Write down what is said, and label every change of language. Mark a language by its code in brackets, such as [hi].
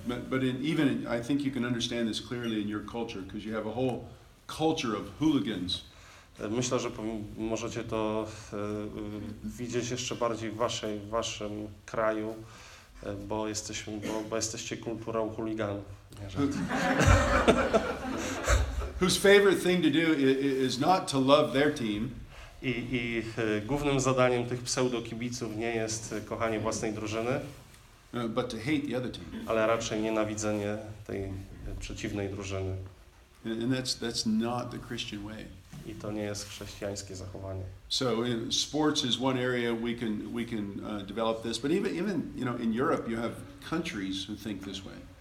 [en] But even I think you can understand this clearly in your culture, because you have a whole culture of hooligans. [pl] Myślę, że możecie to widzieć jeszcze bardziej w waszym kraju, bo jesteście kulturą chuliganów. [en] Whose favorite thing to do is not to love their team. [pl] I głównym zadaniem tych pseudokibiców nie jest kochanie własnej drużyny, [en] but to hate the other team. [pl] Ale raczej nienawidzenie tej przeciwnej drużyny. [en] And that's not the Christian way. [pl] I to nie jest chrześcijańskie zachowanie. [en] So sports is one area we can develop this, but even you know in Europe you have countries who think this way.